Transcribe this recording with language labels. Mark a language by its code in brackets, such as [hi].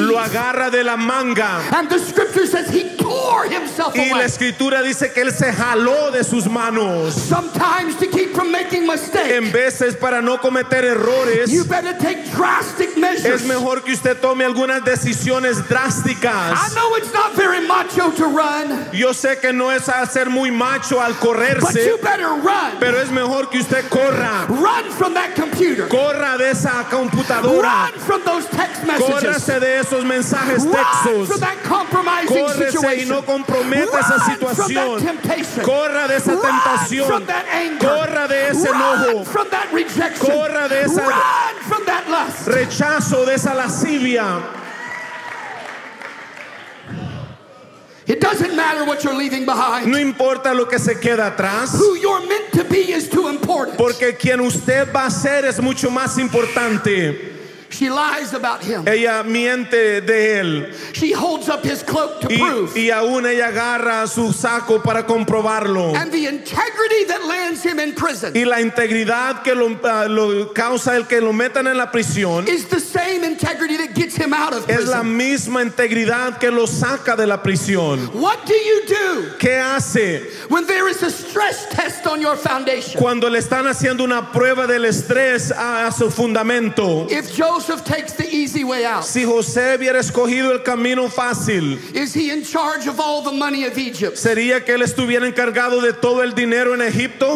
[es] Lo agarra de la manga. [en] And the scripture says he tore himself. [es] Y la escritura dice que él se jaló de sus manos. [en] Sometimes to keep from making mistakes. [es] En veces para no cometer errores. [en] You better take drastic measures. [es] Es mejor que usted tome algunas decisiones drásticas. [en] I know it's not very macho to run. [es] Yo sé que no es hacer muy macho al correrse. [en] But you better run. [es] Pero es mejor que usted corra. [en] Run from that computer. [es] Corra de esa computadora. [en] Run from those text messages. [es] Córrase de esos mensajes textos. [en] Run from that compromising [es] córrese [en] situation. [es] Y no compromete esa situación. Corra de esa [en] run [es] tentación. [en] From that anger. [es] Corra de ese [en] run [es] enojo. [en] From that rejection. [es] Corra de esa [en] run from that lust. [es] Rechazo de esa lascivia. [en] It doesn't matter what you're leaving behind. [es] No importa lo que se queda atrás. [en] Who you're meant to be is too important. [es] Porque quien usted va a ser es mucho más importante. [en] She lies about him. [es] Ella miente de él. [en] She holds up his cloak to prove. [es] Y aún ella agarra su saco para comprobarlo. [en] And the integrity that lands him in prison. [es] Y la integridad que lo causa el que lo metan en la prisión. [en] Is the same integrity that gets him out of prison. [es] Es la misma integridad que lo saca de la prisión. [en] What do you do? [es] ¿Qué hace? [en] When there is a stress test on your foundation. [es] Cuando le están haciendo una prueba del estrés a su fundamento. [en] If Joseph takes the easy way out. [es] Si José hubiera escogido el camino fácil. [en] Is he in charge of all the money of Egypt? [es] ¿Sería que él estuviera encargado de todo el dinero en Egipto?